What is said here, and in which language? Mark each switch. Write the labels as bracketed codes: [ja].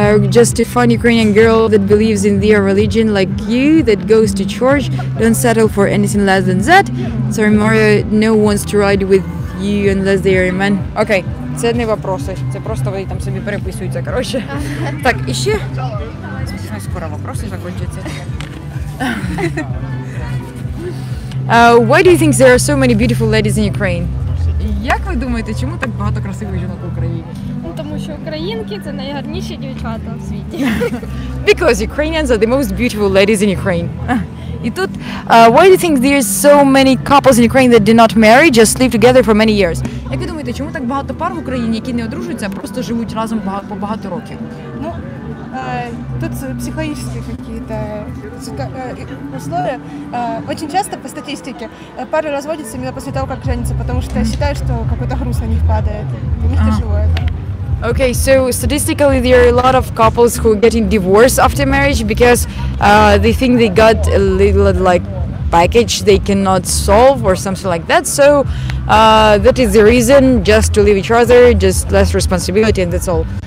[en] Just a fun Ukrainian girl that believes in their religion like you, that goes to church, don't settle for anything less than that. Sorry, Mario, no one wants to ride with you unless they are a man. [uk] Okay, це не вопроси, це просто вони там собі переписуються, короче. Так, іще? Скоро вопроси закінчаться. [en] Why do you think there are so many beautiful ladies in Ukraine? [uk] Як ви думаєте, чому так багато красивих жінок в Україні? Ну, тому що українки – це найгарніші дівчата в світі. [en] Because Ukrainians are the most beautiful ladies in Ukraine. [uk] І тут, [en] why do you think there are so many couples in Ukraine that do not marry, just live together for many years? [uk] Як ви думаєте, чому так багато пар в Україні, які не одружуються, а просто живуть разом по багато років? [ru] Ну, тут психологические какие-то условия. Очень часто по статистике пары разводятся именно после того, как женятся, потому что считают, что какой-то груз на них падает, у них тяжело это. [en] Okay, so statistically there are a lot of couples who are getting divorced after marriage because they think they got a little like package they cannot solve or something like that. So that is the reason, just to leave each other, just less responsibility, and that's all.